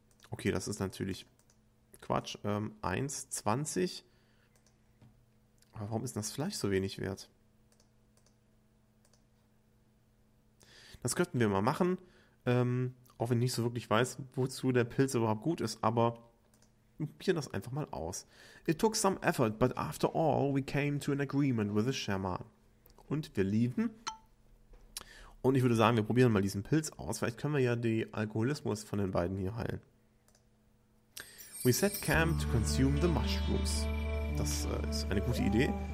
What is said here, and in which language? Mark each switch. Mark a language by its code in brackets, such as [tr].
[de] Okay, das ist natürlich Quatsch. 1,20. Aber warum ist das Fleisch so wenig wert? Das könnten wir mal machen. Auch wenn ich nicht so wirklich weiß, wozu der Pilz überhaupt gut ist. Aber wir probieren das einfach mal aus. [en] It took some effort, but after all, we came to an agreement with the shaman. [de] Und wir lieben. Und ich würde sagen, wir probieren mal diesen Pilz aus. Vielleicht können wir ja den Alkoholismus von den beiden hier heilen. [en] We set camp to consume the mushrooms. [de] Das ist eine gute Idee.